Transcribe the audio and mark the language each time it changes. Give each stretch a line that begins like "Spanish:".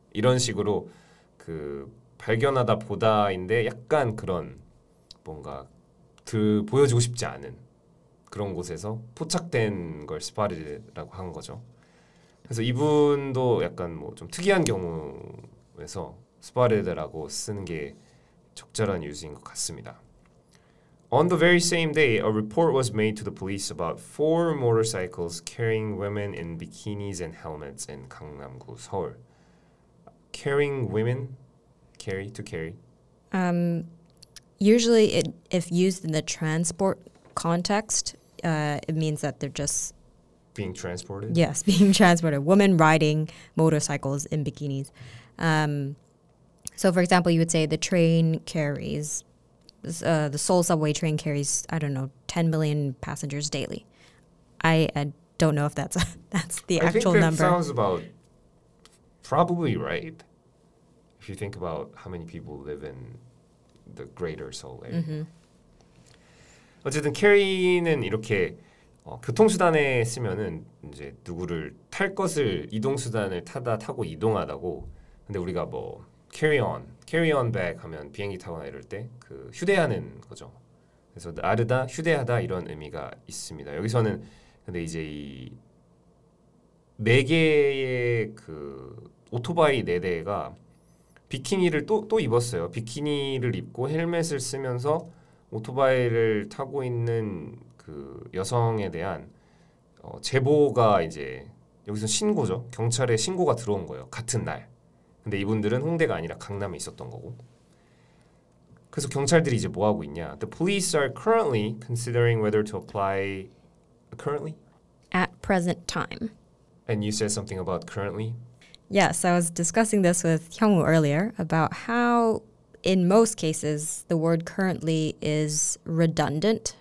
Korean: 이런 식으로 그 발견하다 보다인데 약간 그런 뭔가 그 보여지고 싶지 않은 그런 곳에서 포착된 걸 스팟이라고 한 거죠. 그래서 이분도 약간 뭐 좀 특이한 경우에서 스팟이라고 쓰는 게 적절한 유지인 것 같습니다.
English: On the very same day, a report was made to the police about four motorcycles carrying women in bikinis and helmets in 강남구, 서울. Carrying women? Carry to carry? Usually, if used in the transport context, it means that they're just... Being transported? Yes, being transported. Women riding motorcycles in bikinis. So, for example, you would say the train carries... the Seoul subway train carries, I don't know, 10 million passengers daily. I don't know if that's that's the actual number. I think that sounds about probably right. If you think about how many people live in the greater Seoul area. Mm-hmm.
Korean: 어쨌든 carry는 이렇게 교통수단에 쓰면은 이제 누구를 탈 것을 이동수단을 타다 타고 이동하다고. 근데 우리가 뭐 carry on bag 하면 비행기 타거나 이럴 때 그 휴대하는 거죠. 그래서 나르다, 휴대하다 이런 의미가 있습니다. 여기서는 근데 이제 이 네 개의 그 오토바이 네 대가 비키니를 또 입었어요. 비키니를 입고 헬멧을 쓰면서 오토바이를 타고 있는 그 여성에 대한 제보가 이제 여기서 신고죠. 경찰에 신고가 들어온 거예요. 같은 날. 근데 이분들은 홍대가 아니라 강남에 있었던 거고. 그래서 경찰들이 이제 뭐 하고 있냐?
English: The police are currently considering whether to apply currently? At present time. And you said something about currently? Yes, I was discussing this with Hyungwoo earlier about how in most cases the word currently is redundant.